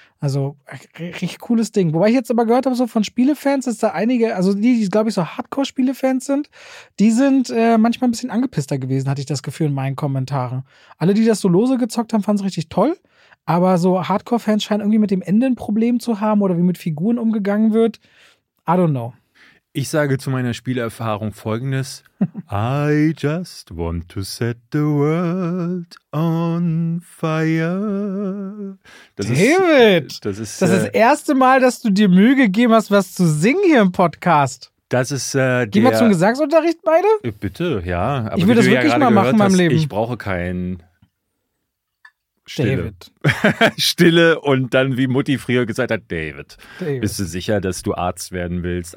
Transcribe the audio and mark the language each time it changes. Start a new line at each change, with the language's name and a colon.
German: Also richtig cooles Ding. Wobei ich jetzt aber gehört habe, so von Spielefans, dass da einige, also die glaube ich so Hardcore-Spielefans sind, die sind manchmal ein bisschen angepisster gewesen, hatte ich das Gefühl in meinen Kommentaren. Alle, die das so lose gezockt haben, fanden es richtig toll. Aber so Hardcore-Fans scheinen irgendwie mit dem Ende ein Problem zu haben oder wie mit Figuren umgegangen wird.
English: I don't know.
German: Ich sage zu meiner Spielerfahrung Folgendes.
English: I just want to set the world on fire.
German: Das ist das erste Mal, dass du dir Mühe gegeben hast, was zu singen hier im Podcast. Das ist gehen wir zum Gesangsunterricht beide? Bitte, ja. Aber ich will das wirklich mal machen in meinem Leben. Ich brauche keinen Stille. David. Stille und dann, wie Mutti früher gesagt hat, David, bist du sicher, dass du Arzt werden willst?